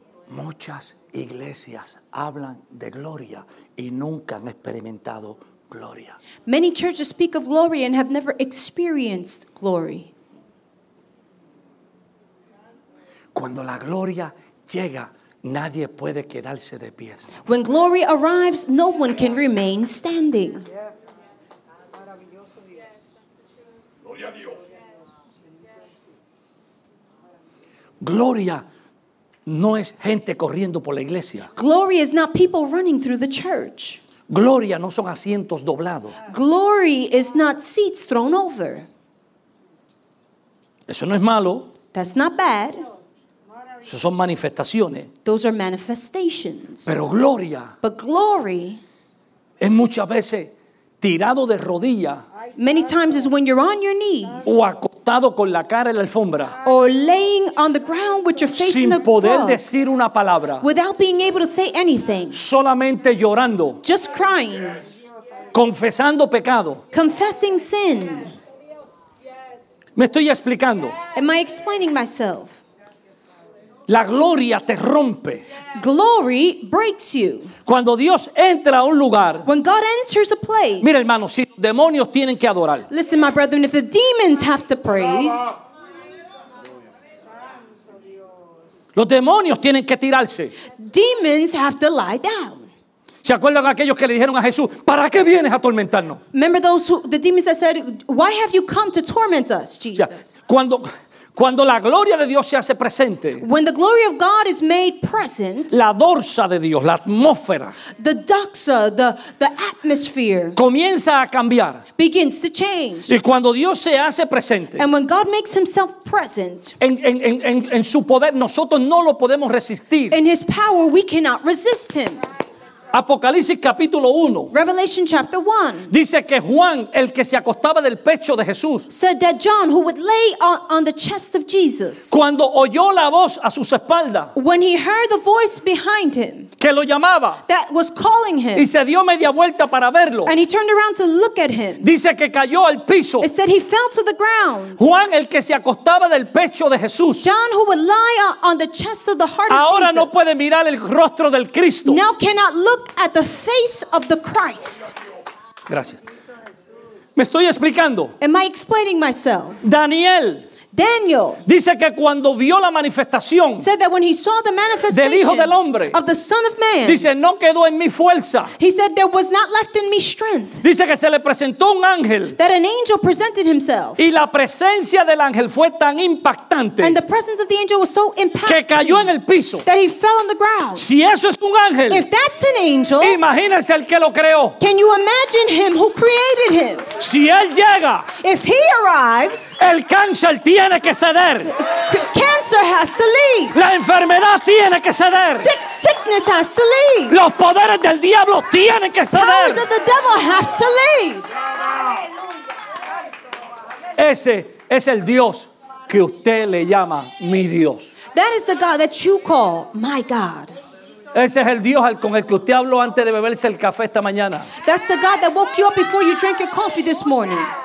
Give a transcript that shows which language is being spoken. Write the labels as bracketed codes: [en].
[es] Muchas iglesias hablan de gloria y nunca han experimentado gloria. [en] Many churches speak of glory and have never experienced glory. [es] Cuando la gloria llega, nadie puede quedarse de pie. [en] When glory arrives, no one can remain standing. [es] Gloria a Dios. Gloria no es gente corriendo por la iglesia. [en] Glory is not people running through the church. [es] Gloria no son asientos doblados. [en] Glory is not seats thrown over. [es] Eso no es malo. [en] That's not bad. [es] Eso son manifestaciones. [en] Those are manifestations. [es] Pero gloria. [en] But glory. [es] Es muchas veces tirado de rodillas. [en] Many times is when you're on your knees. [es] O acostado con la cara en la alfombra. [en] Or laying on the ground with your face in the rug. [es] Sin poder decir una palabra. [en] Without being able to say anything. [es] Solamente llorando. [en] Just crying. [es] Confesando pecado. [en] Confessing sin. [es] Me estoy explicando. [en] Am I explaining myself? [es] La gloria te rompe. [en] Glory breaks you. [es] Cuando Dios entra a un lugar. [en] When God enters a place. [es] Mira, hermano, si los demonios tienen que adorar. [en] Listen, my brethren, if the demons have to praise. [es] Los demonios tienen que tirarse. [en] Demons have to lie down. [es] ¿Se acuerdan aquellos que le dijeron a Jesús, ¿para qué vienes a atormentarnos? [en] Remember those who, the demons that said, why have you come to torment us, Jesus? [es] Ya, cuando la gloria de Dios se hace presente. [en] When the glory of God is made present. [es] La dorsa de Dios, la atmósfera. [en] The doxa, the atmosphere. [es] Comienza a cambiar. [en] Begins to change. [es] Y cuando Dios se hace presente. [en] And when God makes himself present. [es] En su poder, nosotros no lo podemos resistir. [en] In his power, we cannot resist him. [es] Apocalipsis capítulo 1. [en] Revelation chapter 1. [es] Dice que Juan, el que se acostaba del pecho de Jesús. [en] Said that John, who would lay on the chest of Jesus. [es] Cuando oyó la voz a sus espaldas. [en] When he heard the voice behind him. [es] Que lo llamaba. [en] That was calling him. [es] Y se dio media vuelta para verlo. [en] And he turned around to look at him. [es] Dice que cayó al piso. [en] It said he fell to the ground. [es] Juan, el que se acostaba del pecho de Jesús. [en] John, who would lie on the chest of the heart of Jesus. [es] Ahora no puede mirar el rostro del Cristo. [en] Now cannot look at the face of the Christ. [es] Gracias. Me estoy explicando. [en] Am I explaining myself? [es] Daniel. Dice que cuando vio la manifestación. [en] Said that when he saw the manifestation. [es] Del Hijo del Hombre. [en] Of the Son of Man. [es] Dice no quedó en mi fuerza. [en] He said there was not left in me strength. [es] Dice que se le presentó un ángel. [en] That an angel presented himself. [es] Y la presencia del ángel fue tan impactante. [en] And the presence of the angel was so impactful. [es] Que cayó en el piso. [en] That he fell on the ground. [es] Si eso es un ángel. [en] If that's an angel. [es] Imagínese el que lo creó. [en] Can you imagine him who created him? [es] Si él llega. [en] If he arrives. [es] El cáncer tiene. Tiene que ceder. [en] Cancer has to leave. [es] La enfermedad tiene que ceder. [en] Sickness has to leave. [es] Los poderes del diablo tienen que ceder. [en] Powers of the devil have to leave. [es] Ese es el Dios que usted le llama mi Dios. [en] That is the God that you call my God. [es] Ese es el Dios con el que usted habló antes de beberse el café esta mañana. [en] That's the God that woke you up before you drank your coffee this morning.